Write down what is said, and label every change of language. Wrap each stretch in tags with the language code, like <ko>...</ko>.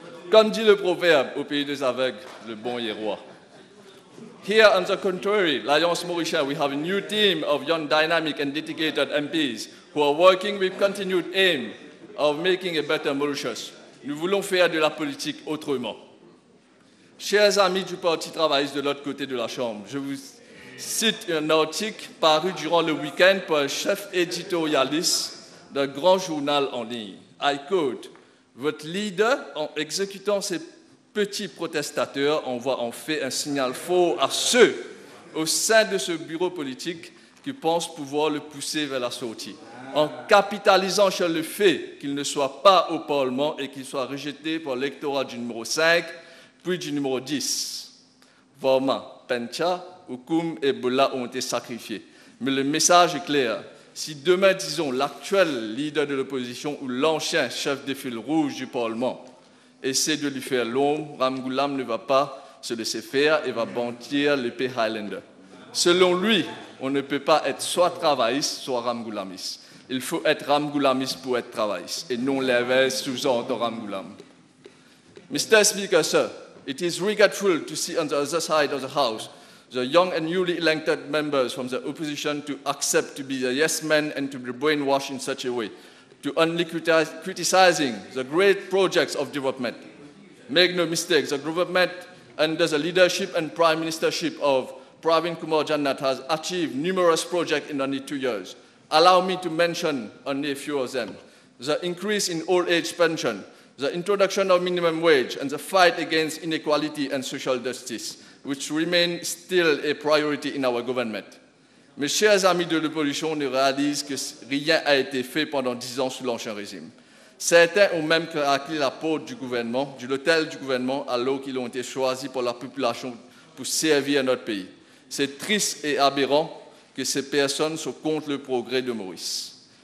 <fr>Comme dit le proverbe, au pays des aveugles, le bon y est roi.</fr> <en>Here, on the contrary, l'Alliance Mauritien, we have a new team of young, dynamic and dedicated MPs who are working with continued aim of making a better Mauritius.</en> <fr>Nous voulons faire de la politique autrement. Chers amis du Parti Travail de l'autre côté de la Chambre, je vous cite un article paru durant le week-end par un chef éditorialiste d'un grand journal en ligne. I quote, votre leader, en exécutant ses petits protestateurs, envoie en fait un signal faux à ceux au sein de ce bureau politique qui pensent pouvoir le pousser vers la sortie, en capitalisant sur le fait qu'il ne soit pas au Parlement et qu'il soit rejeté par l'électorat du numéro 5, puis du numéro 10. Varma, Pencha, Hukum et Bola ont été sacrifiés. Mais le message est clair. Si demain, disons, l'actuel leader de l'opposition ou l'ancien chef de file rouge du Parlement essaie de lui faire l'ombre, Ramgulam ne va pas se laisser faire et va bâtir l'épée Highlander. Selon lui, on ne peut pas être soit travailliste, soit Ramgulamiste. Il faut être Ramgulamiste pour être travailliste et non l'inverse sous ordre Ramgulam.</fr> <en>Mr. Speaker, sir, it is regretful to see on the other side of the House the young and newly elected members from the opposition to accept to be the yes men and to be brainwashed in such a way, to only criticizing the great projects of development. Make no mistake, the government under the leadership and prime ministership of Pravin Kumar Jagnauth has achieved numerous projects in only 2 years. Allow me to mention only a few of them. The increase in old age pension, the introduction of minimum wage, and the fight against inequality and social justice, which remain still a priority in our government.</en> <fr>Mes chers amis de l'opposition ne réalisent que rien n'a été fait pendant 10 ans sous l'ancien régime. Certains ont même craqué la porte du gouvernement, de l'hôtel du gouvernement, alors qu'ils ont été choisis par la population pour servir notre pays. C'est triste et aberrant que ces personnes soient contre le progrès de Maurice.</fr>